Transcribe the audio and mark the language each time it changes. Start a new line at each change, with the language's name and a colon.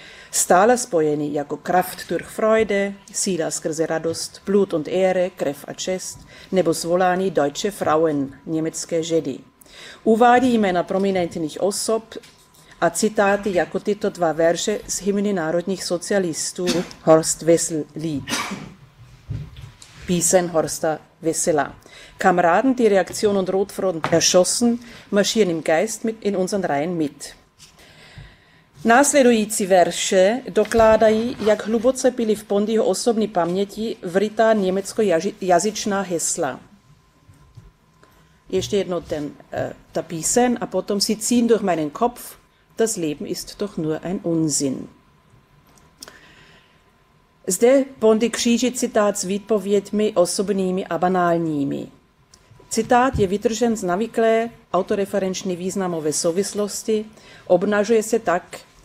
Czech: Stále spojený jako
German: kraft durch Freude,
Czech: síla skrze radost,
German: blut und ehre,
Czech: krev a čest, nebo zvolání
German: deutsche Frauen,
Czech: německé ženy. Uvádí jména prominentních osob a citáty jako tyto dva verše z hymny národních socialistů Horst Wessel Lied. Písen Horsta Wessela.
German: Kameraden, die Reaktion und Rotfront erschossen, marschieren im Geist in unseren Reihen mit.
Czech: Následující verše dokládají, jak hluboce byly v Bondyho osobní paměti vrytá německojazyčná hesla. Ještě jedno ta písen a potom
German: sie ziehen durch meinen Kopf, das Leben ist doch nur ein Unsinn.
Czech: Zde Bondy kříží citát s výpovědmi osobními a banálními. Citát je vytržen z navyklé autoreferenční významové souvislosti, obnažuje se tak